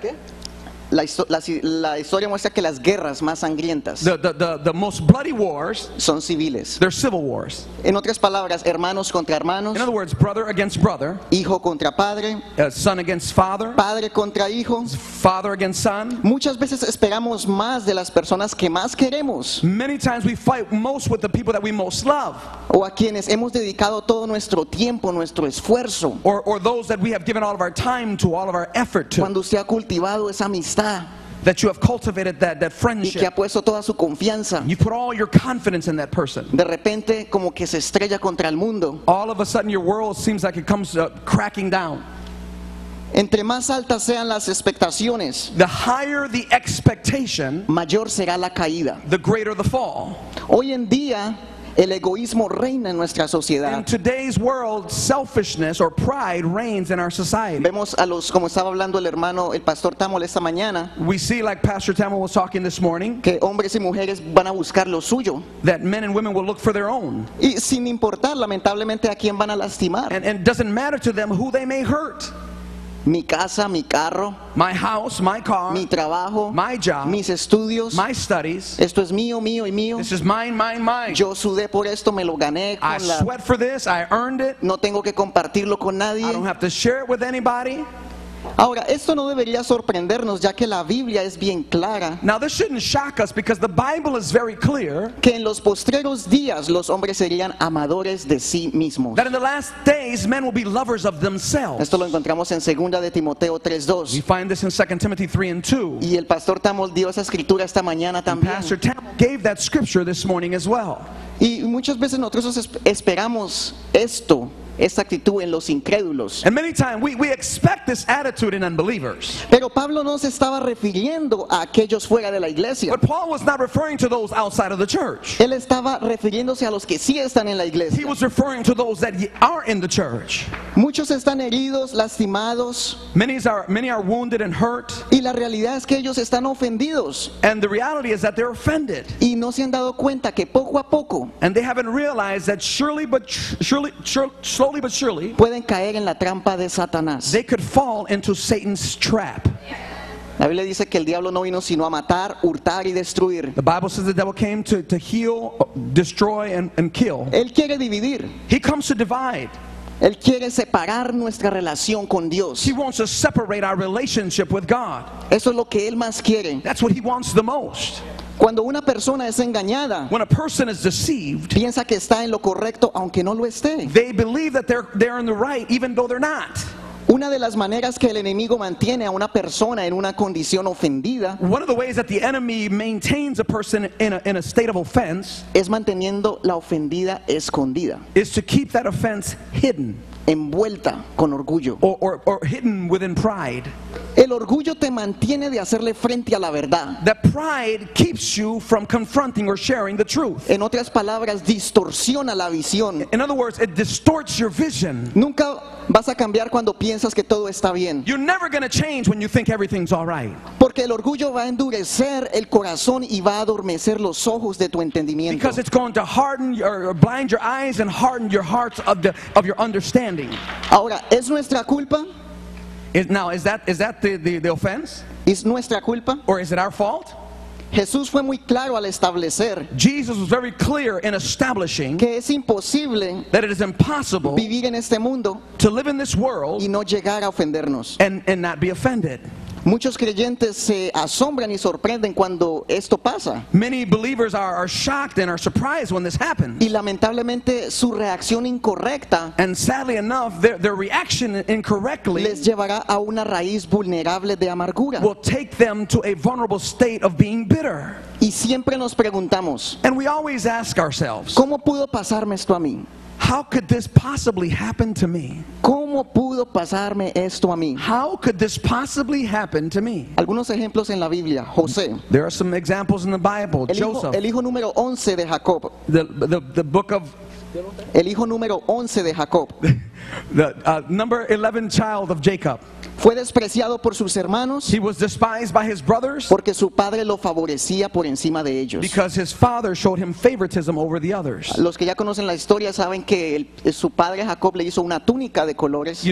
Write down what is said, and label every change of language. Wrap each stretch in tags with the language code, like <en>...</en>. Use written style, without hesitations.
<es>¿Qué? La historia muestra que las guerras más sangrientas...</es> <en>The most bloody wars...</en> <es>Son civiles.</es> <en>They're civil wars.</en> <es>En otras palabras, hermanos contra hermanos...</es> <en>In other words, brother against brother...</en> <es>Hijo contra padre...</es> <en>Son against father...</en> <es>Padre contra hijo...</es> <en>Father against son...</en> <es>Muchas veces esperamos más de las personas que más queremos...</es> <en>Many times we fight most with the people that we most love...</en> <es>O a quienes hemos dedicado todo nuestro tiempo, nuestro esfuerzo...</es> <en>Or those that we have given all of our time to, all of our effort to...</en> <es>Cuando usted ha cultivado esa amistad...</es> <en>that you have cultivated that friendship.</en> <es>Y que ha puesto toda su confianza.</es> <en>You put all your confidence in that person.</en> <es>De repente, como que se estrella contra el mundo.</es> <en>All of a sudden, your world seems like it comes cracking down.</en> <es>Entre más altas sean las expectaciones,</es> <en>the higher the expectation,</en> <es>mayor será la caída.</es> <en>The greater the fall.</en> <es>Hoy en día, el egoísmo reina en nuestra sociedad.</es> <en>In today's world, selfishness or pride reigns in our society.</en> <es>Vemos a los, como estaba hablando el hermano, el pastor Tamil esta mañana.</es> <en>We see, like Pastor Tamil was talking this morning,</en> <es>que hombres y mujeres van a buscar lo suyo.</es> <en>That men and women will look for their own.</en> <es>Y sin importar, lamentablemente, a quién van a lastimar.</es> <en>And doesn't matter to them who they may hurt.</en> <es>Mi casa, mi carro.</es> <en>My house, my car.</en> <es>Mi trabajo.</es> <en>My job.</en> <es>Mis estudios.</es> <en>My studies.</en> <es>Esto es mío, mío y mío.</es> <en>This is mine.</en> <es>Yo sudé por esto, me lo gané con</es> <en>I la... sweat for this, I earned it.</en> <es>No tengo que compartirlo con nadie.</es> <en>I don't have to share it with anybody.</en> <es>Ahora, esto no debería sorprendernos, ya que la Biblia es bien clara.</es> <en>Now this shouldn't shock us because the Bible is very clear.</en> <es>Que en los postreros días los hombres serían amadores de sí mismos.</es> <en>That in the last days men will be lovers of themselves.</en> <es>Esto lo encontramos en 2 Timoteo 3:2.</es> <en>We find this in 2 Timothy 3:2.</en> <es>Y el pastor Tamil dio esa escritura esta mañana también.</es> <en>And Pastor Tamil gave that scripture this morning as well.</en> <es>Y muchas veces nosotros esperamos esto. Esta actitud en los incrédulos.</es> <en>And many times we expect this attitude in unbelievers.</en> <es>Pero Pablo no se estaba refiriendo a aquellos fuera de la iglesia.</es> <en>But Paul was not referring to those outside of the church.</en> <es>Él estaba refiriéndose a los que sí están en la iglesia.</es> <en>He was referring to those that are in the church.</en> <es>Muchos están heridos, lastimados.</es> <en>Many are wounded and hurt.</en> <es>Y la realidad es que ellos están ofendidos.</es> <en>And the reality is that they're offended.</en> <es>Y no se han dado cuenta que poco a poco.</es> <en>And they haven't realized that slowly but surely,</en> <es>pueden caer en la trampa de Satanás.</es> <en>They could fall into Satan's trap.</en> <es>La Biblia dice que el diablo no vino sino a matar, hurtar y destruir.</es> <en>The Bible says the devil came to heal, destroy and kill.</en> <es>Él quiere dividir.</es> <en>He comes to divide.</en> <es>Él quiere separar nuestra relación con Dios.</es> <en>He wants to separate our relationship with God.</en> <es>Eso es lo que él más quiere.</es> <en>That's what he wants the most.</en> <es>Cuando una persona es engañada,</es> <en>when a person is deceived,</en> <es>piensa que está en lo correcto aunque no lo esté.</es> <en>They believe that they're in the right even though they're not.</en> <es>Una de las maneras que el enemigo mantiene a una persona en una condición ofendida,</es> <en>one of the ways that the enemy maintains a person in a state of offense,</en> <es>es manteniendo la ofendida escondida.</es> <en>Is to keep that offense hidden.</en> <es>Envuelta con orgullo.</es> <en>Or hidden within pride.</en> <es>El orgullo te mantiene de hacerle frente a la verdad.</es> <en>That pride keeps you from confronting or sharing the truth.</en> <es>En otras palabras, distorsiona la visión.</es> <en>In other words, it distorts your vision.</en> <es>Nunca vas a cambiar cuando piensas que todo está bien.</es> <en>You're never going to change when you think everything's all right.</en> <es>Porque el orgullo va a endurecer el corazón y va a adormecer los ojos de tu entendimiento.</es> <en>Because it's going to harden or blind your eyes and harden your hearts of your understanding.</en> <es>Ahora, ¿es nuestra culpa?</es> <en>Is that the offense?</en> <es>¿Es nuestra culpa?</es> <en>Or is it our fault?</en> <es>Jesús fue muy claro al establecer.</es> <en>Jesus was very clear in establishing</en> <es>que es imposible,</es> <en>that it is impossible,</en> <es>vivir en este mundo,</es> <en>to live in this world,</en> <es>y no llegar a ofendernos,</es> <en>and not be offended.</en> <es>Muchos creyentes se asombran y sorprenden cuando esto pasa.</es> <en>Many believers are shocked and are surprised when this happens.</en> <es>Y lamentablemente su reacción incorrecta,</es> <en>and sadly enough, their reaction incorrectly,</en> <es>les llevará a una raíz vulnerable de amargura.</es> <en>Will take them to a vulnerable state of being bitter.</en> <es>Y siempre nos preguntamos,</es> <en>and we always ask ourselves,</en> <es>¿cómo pudo pasarme esto a mí?</es> <en>How could this possibly happen to me?</en> <es>¿Cómo pudo pasarme esto a mí?</es> <en>How could this possibly happen to me?</en> <es>Algunos ejemplos en la Biblia, José.</es> <en>There are some examples in the Bible. Joseph.</en> <es>El hijo número 11 de Jacob.</es> <en>The book of</en> <es>El hijo número 11 de Jacob.</es> <en>Number 11 child of Jacob.</en> <es>Fue despreciado por sus hermanos.</es> <en>He was despised by his brothers.</en> <es>Porque su padre lo favorecía por encima de ellos.</es> <en>Because his father showed him favoritism over the others.</en> <es>Los que ya conocen la historia saben que su padre Jacob le hizo una túnica de colores.</es>